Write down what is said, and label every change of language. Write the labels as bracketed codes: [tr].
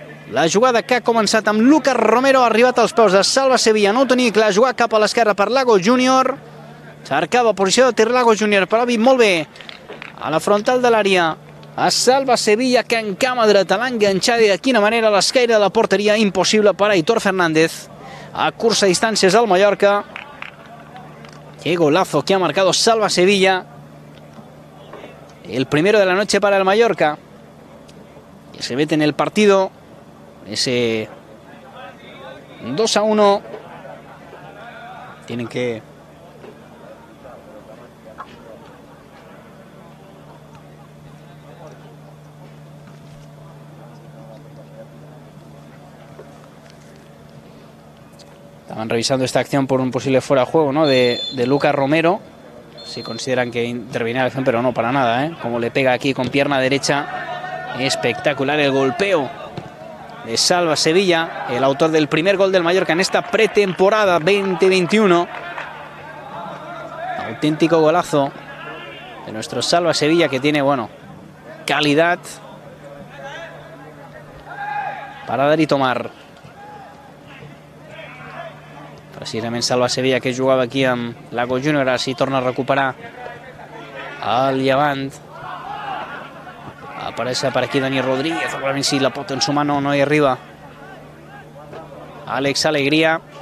[ca] La jugada que ha començat amb Lucas Romero ha arribat als peus de Salva Sevilla, no ho tenia clar, jugar cap a l'esquerra per Lago Júnior, cercava posició de tir Lago Júnior, però ha vist molt bé a la frontal de l'àrea a Salva Sevilla, que en cama dreta l'ha enganxat i de quina manera l'esquerra de la porteria, impossible per Aitor Fernández, a curta distància és el Mallorca. [es] Que golazo que ha marcado Salva Sevilla, el primero de la noche para el Mallorca. Y se mete en el partido. Ese 2-1. Tienen que estaban revisando esta acción por un posible fuera de juego, ¿no? De Lucas Romero. Si consideran que interviene la acción, pero no, para nada, ¿eh? Como le pega aquí con pierna derecha. Espectacular el golpeo de Salva Sevilla, el autor del primer gol del Mallorca en esta pretemporada 2021. Auténtico golazo de nuestro Salva Sevilla, que tiene, bueno, calidad para dar y tomar. [ca] Precisament Salva Sevilla, que jugava aquí amb Lago Júnior, ara s'hi torna a recuperar el Llevant. Apareix per aquí Dani Rodríguez, segurament si la pot ensumar, no hi arriba. Àlex Alegria.